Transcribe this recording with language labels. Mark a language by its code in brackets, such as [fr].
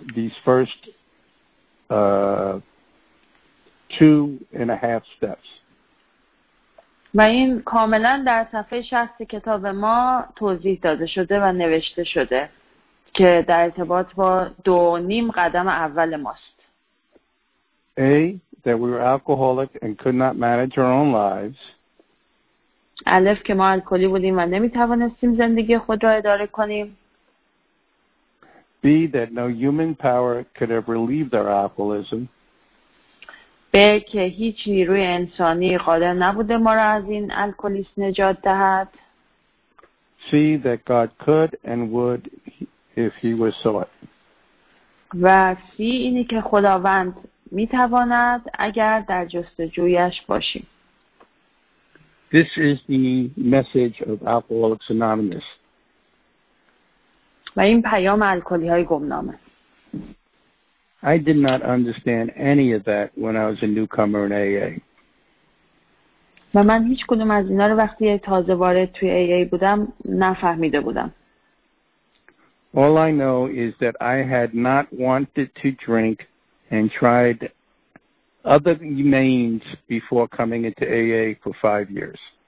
[en] These first two and a half steps. [fa] و این کاملا در صفحه 60 کتاب ما توضیح داده شده و نوشته شده که در ارتباط با دو نیم قدم اول ماست. [en] A, that we were alcoholic and could not manage our own lives. [fa] الف که ما الکلی بودیم و نمی توانستیم زندگی خود را اداره کنیم. [en] B, that no human power could have relieved our alcoholism. [fa] به که هیچ نیروی انسانی قادر نبوده ما را از این الکلیسم نجات دهد. [en] See that God could and would if he was sought. [fa] و سی اینی که خداوند می تواند اگر در جستجویش باشیم. [en] This is the message of Alcoholics Anonymous. [fa] و این پیام الکلی های گمنامه. [en] I did not understand any of that when I was a newcomer in AA. [fa] و من هیچ کدوم از اینا رو وقتی تازه وارد توی AA بودم نفهمیده بودم. [en] All I know is that I had not wanted to drink and tried other means before coming into AA for 5 years.